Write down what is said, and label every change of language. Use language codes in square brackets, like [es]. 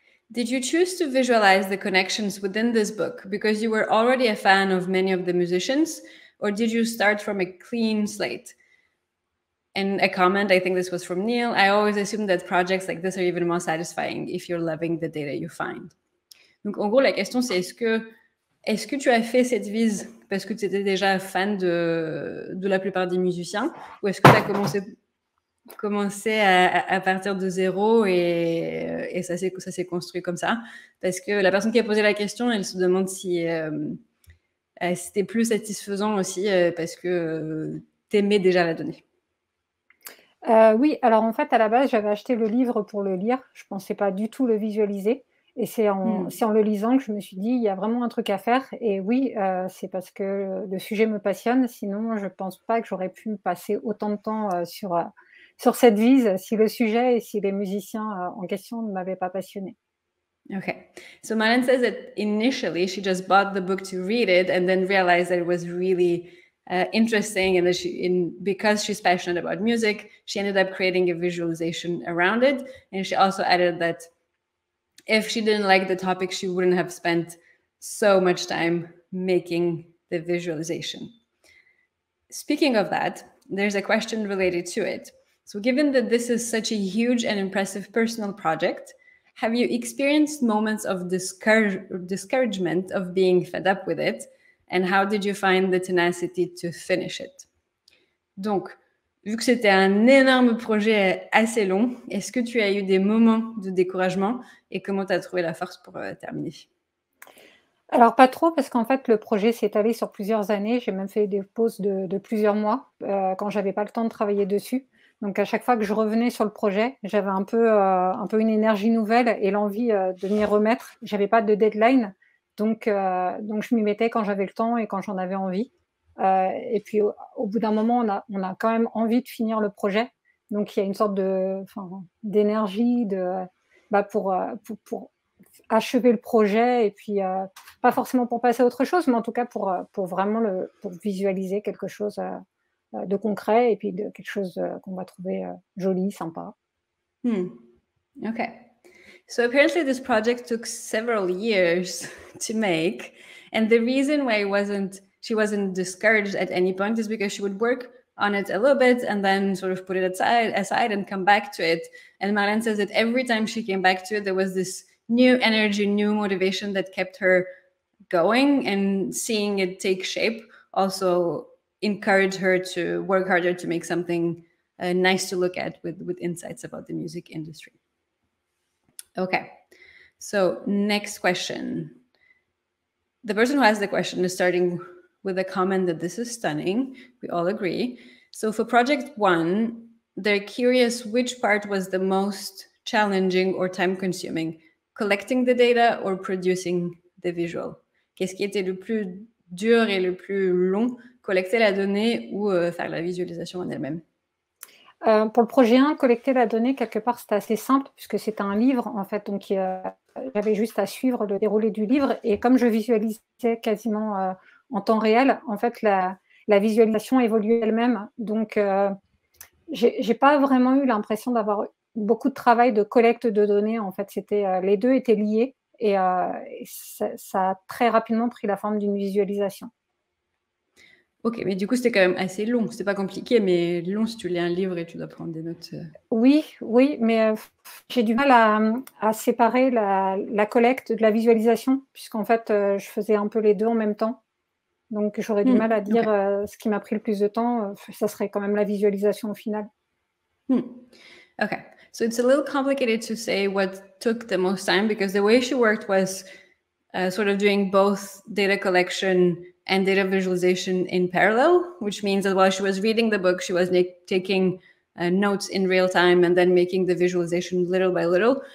[en] Did you choose to visualize the connections within this book because you were already a fan of many of the musicians, or did you start from a clean slate? And a comment, I think this was from Neil. I always assume that projects like this are even more satisfying if you're loving the data you find. [fr] Donc, en gros, la question, c'est est-ce que tu as fait cette vise parce que tu étais déjà fan de la plupart des musiciens, ou est-ce que tu as commencé à partir de zéro et ça s'est construit comme ça? Parce que la personne qui a posé la question, elle se demande si c'était plus satisfaisant aussi parce que t'aimais déjà la donnée. Oui, alors en fait, à la base, j'avais acheté le livre pour le lire. Je ne pensais pas du tout le visualiser. Et c'est en le lisant que je me suis dit, il y a vraiment un truc à faire. Et oui, c'est parce que le sujet me passionne. Sinon, je ne pense pas que j'aurais pu passer autant de temps sur cette vise si le sujet et si les musiciens en question ne m'avaient pas passionné. OK. [en] So Marlène says that initially, she just bought the book to read it and then realized that it was really... interesting, and because she's passionate about music, she ended up creating a visualization around it. And she also added that if she didn't like the topic, she wouldn't have spent so much time making the visualization. Speaking of that, there's a question related to it. So given that this is such a huge and impressive personal project, have you experienced moments of discouragement of being fed up with it? And how did you find the tenacity to finish it? [fr] Donc, vu que c'était un énorme projet assez long, est-ce que tu as eu des moments de découragement et comment tu as trouvé la force pour terminer? Alors, pas trop, parce qu'en fait, le projet s'est étalé sur plusieurs années. J'ai même fait des pauses de plusieurs mois quand je n'avais pas le temps de travailler dessus. Donc, à chaque fois que je revenais sur le projet, j'avais un peu une énergie nouvelle et l'envie de m'y remettre. Je n'avais pas de deadline. Donc, je m'y mettais quand j'avais le temps et quand j'en avais envie. Et puis, au bout d'un moment, on a quand même envie de finir le projet. Donc, il y a une sorte d'énergie pour achever le projet et puis pas forcément pour passer à autre chose, mais en tout cas pour vraiment visualiser quelque chose de concret et puis de quelque chose qu'on va trouver joli, sympa. OK. [en] So apparently this project took several years to make, and the reason why she wasn't discouraged at any point is because she would work on it a little bit and then sort of put it aside and come back to it. And Marlène says that every time she came back to it, there was this new energy, new motivation that kept her going, and seeing it take shape also encouraged her to work harder to make something nice to look at with insights about the music industry. Okay, so next question. The person who asked the question is starting with a comment that this is stunning. We all agree. So for project one, they're curious which part was the most challenging or time-consuming, collecting the data or producing the visual? [fr] Qu'est-ce qui était le plus dur et le plus long, collecter la donnée ou faire la visualisation en elle-même? Pour le projet 1, collecter la donnée, quelque part, c'était assez simple puisque c'était un livre, en fait. Donc, j'avais juste à suivre le déroulé du livre. Et comme je visualisais quasiment en temps réel, en fait, la visualisation évoluait elle-même. Donc, j'ai pas vraiment eu l'impression d'avoir beaucoup de travail de collecte de données. En fait, les deux étaient liés et ça a très rapidement pris la forme d'une visualisation. Ok, mais du coup, c'était quand même assez long. C'était pas compliqué, mais long si tu lis un livre et tu dois prendre des notes. Oui, mais j'ai du mal à séparer la collecte de la visualisation, puisqu'en fait, je faisais un peu les deux en même temps. Donc, j'aurais du mal à dire ce qui m'a pris le plus de temps. Ça serait quand même la visualisation au final. [en] Ok, so it's a little complicated to say what took the most time, because the way she worked was... sort of doing both data collection and data visualization in parallel, which means that while she was reading the book, she was taking notes in real time and then making the visualization little by little.